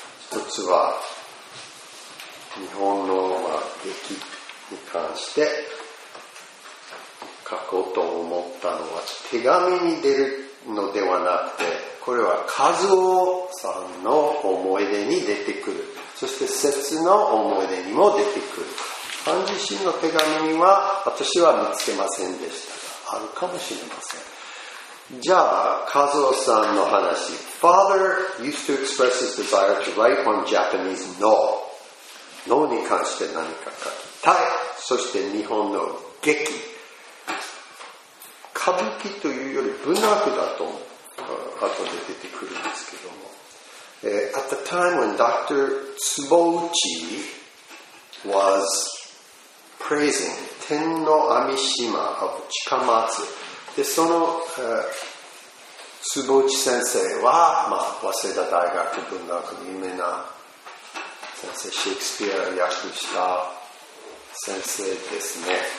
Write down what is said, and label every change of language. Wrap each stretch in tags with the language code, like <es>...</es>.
<ja>一つは日本の劇に関して書こうと思ったのは、手紙に出るのではなくて、これは和夫さんの思い出に出てくる、そして節の思い出にも出てくる。漢字詩の手紙には私は見つけませんでしたが、あるかもしれません。じゃあ和夫さんの話。</ja> <en>Father used to express his desire to write on Japanese no、 no</en> <ja>に関して何か書きたい。そして日本の劇、歌舞伎というより文学だと思う、後で出てくるんですけども、</ja> <en>At the time when Dr. Tsubouchi was praising</en> <ja>天の網島 of 近松で、その、Tsubouchi 先生は、まあ、早稲田大学文学の有名な先生、シェイクスピアを訳した先生ですね。</ja>